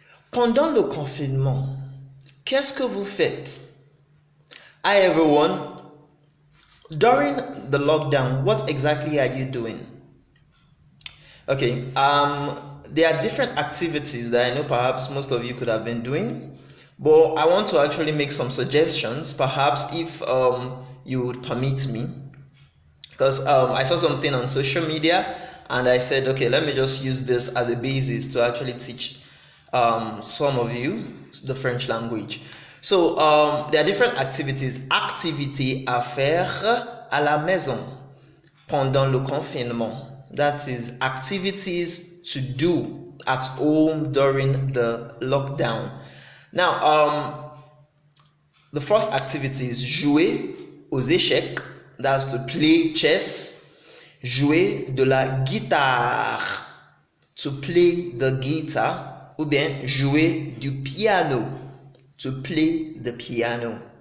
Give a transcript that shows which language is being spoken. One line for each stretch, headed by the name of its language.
French: Pendant le confinement, qu'est-ce que vous faites?
English: Hi everyone! During the lockdown, what exactly are you doing? There are different activities that I know perhaps most of you could have been doing, but I want to actually make some suggestions, perhaps if you would permit me. Because I saw something on social media. And I said, okay, let me just use this as a basis to actually teach some of you the French language. So there are different activities.
French: Activité à faire à la maison pendant le confinement.
English: That is activities to do at home during the lockdown. Now, the first activity is
French: jouer aux échecs.
English: That's to play chess.
French: Jouer de la guitare,
English: to play the guitar,
French: ou bien jouer du piano,
English: to play the piano.